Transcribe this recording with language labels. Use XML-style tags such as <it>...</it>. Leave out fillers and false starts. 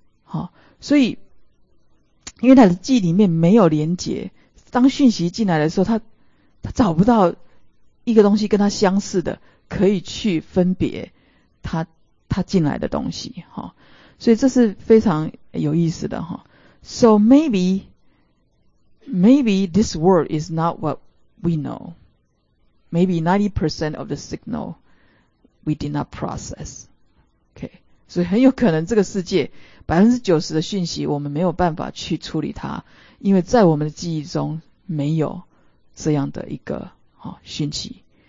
<zh>好，所以因为他的记忆里面没有连结，当讯息进来的时候，他找不到一个东西跟他相似的可以去分别他进来的东西。好，所以这是非常有意思的。</zh> <en>好，So maybe this world is not what we know. Maybe 90% of the signal we did not process. Okay.</en> <zh>所以很有可能这个世界 90% 的讯息我们没有办法去处理它，因为在我们的记忆中没有这样的一个讯息。</zh>